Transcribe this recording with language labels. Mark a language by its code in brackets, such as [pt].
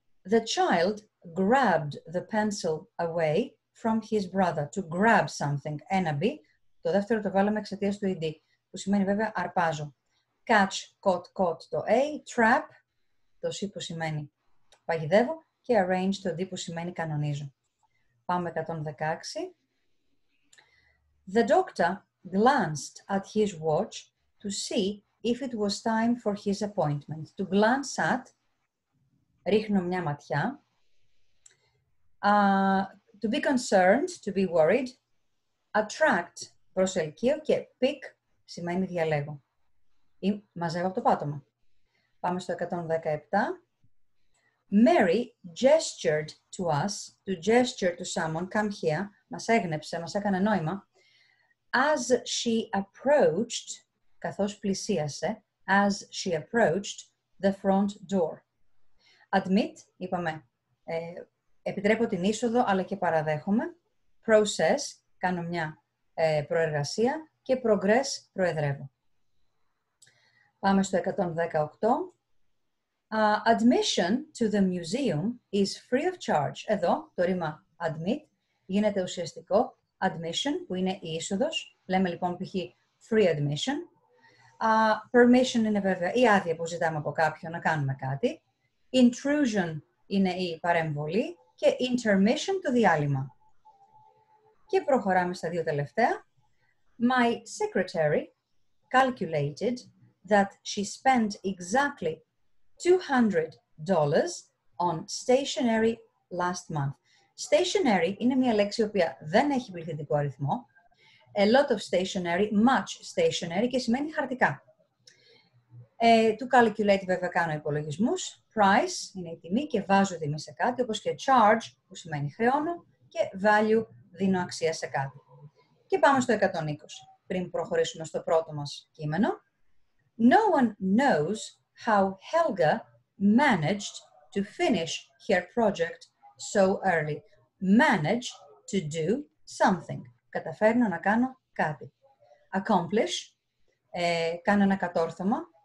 [en] The child grabbed the pencil away from his brother, to grab something, [el] έναμπι, το δεύτερο το βάλαμε εξαιτίας του ED, που σημαίνει βέβαια αρπάζω. [en] Catch, caught, caught, [el] το A, trap, το C που σημαίνει παγιδεύω, και arrange, το D που σημαίνει κανονίζω. Πάμε 116. [en] The doctor glanced at his watch to see if it was time for his appointment. To glance at, [el] ρίχνω μια ματιά. [en] To be concerned, to be worried, attract, προσελκύω, και pick, σημαίνει διαλέγω. [el] Ή μαζεύω από το πάτωμα. Πάμε στο 117. [en] Mary gestured to us, to gesture to someone, come here, [el] μας έγνεψε, μας έκανε νόημα, [en] as she approached, [el] καθώς πλησίασε, [en] as she approached the front door. [el] Admit, είπαμε, επιτρέπω την είσοδο, αλλά και παραδέχομαι. Process, κάνω μια προεργασία. Και progress, προεδρεύω. Πάμε στο 118. [en] Admission to the museum is free of charge. [el] Εδώ, το ρήμα admit, γίνεται ουσιαστικό. Admission, που είναι η είσοδος. Λέμε λοιπόν, π.χ. [en] free admission. [el] Permission είναι βέβαια η άδεια που ζητάμε από κάποιον να κάνουμε κάτι. Intrusion είναι η παρεμβολή. Και intermission, το διάλειμμα. Και προχωράμε στα δύο τελευταία. [en] My secretary calculated that she spent exactly $200 on stationery last month. [el] Stationery είναι μια λέξη η οποία δεν έχει πληθυντικό αριθμό. [en] A lot of stationery, much stationery, [el] και σημαίνει χαρτικά. To calculate, βέβαια, κάνω υπολογισμούς. Price είναι η τιμή, και βάζω τιμή σε κάτι, όπως και charge, που σημαίνει χρεώνω, και value, δίνω αξία σε κάτι. Και πάμε στο 120, πριν προχωρήσουμε στο πρώτο μας κείμενο. [en] No one knows how Helga managed to finish her project so early. Manage to do something. [el] Καταφέρνω να κάνω κάτι. Accomplish, κάνω ένα κατόρθωμα.